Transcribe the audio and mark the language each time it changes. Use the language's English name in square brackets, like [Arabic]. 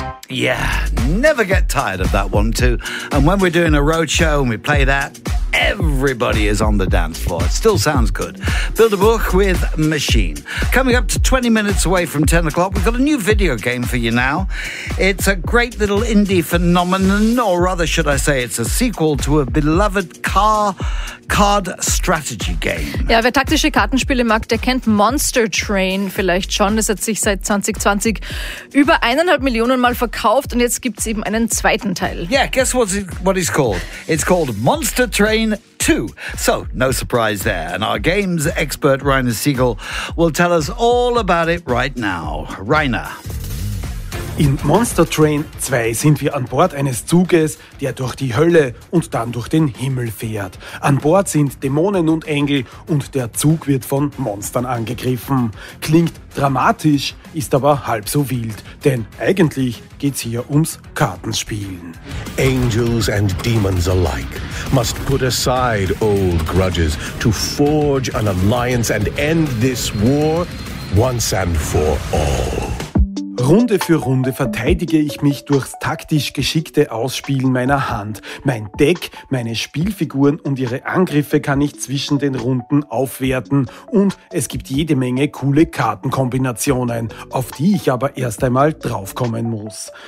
[English] Yeah, never get tired of that one too. And when we're doing a road show and we play that, everybody is on the dance floor. It still sounds good. Bilderbuch with Machine. Coming up to 20 minutes away from 10 o'clock, we've got a new video game for you now. It's a great little indie phenomenon, or rather should I say it's a sequel to a beloved card strategy game. [German] Ja, wer taktische Kartenspiele mag, der kennt Monster Train vielleicht schon. Das hat sich seit 2020 über 1,5 Millionen Mal verkauft und jetzt gibt es eben einen zweiten Teil. [English] Yeah, guess what it's called? It's called Monster Train. So, no surprise there. And our games expert, Rainer Siegel, will tell us all about it right now. Rainer. [German] In Monster Train 2 sind wir an Bord eines Zuges, der durch die Hölle und dann durch den Himmel fährt. An Bord sind Dämonen und Engel und der Zug wird von Monstern angegriffen. Klingt dramatisch, ist aber halb so wild, denn eigentlich geht's hier ums Kartenspielen. [English] Angels and demons alike must put aside old grudges to forge an alliance and end this war once and for all. [German] Runde für Runde verteidige ich mich durchs taktisch geschickte Ausspielen meiner Hand. Mein Deck, meine Spielfiguren und ihre Angriffe kann ich zwischen den Runden aufwerten. Und es gibt jede Menge coole Kartenkombinationen, auf die ich aber erst einmal draufkommen muss.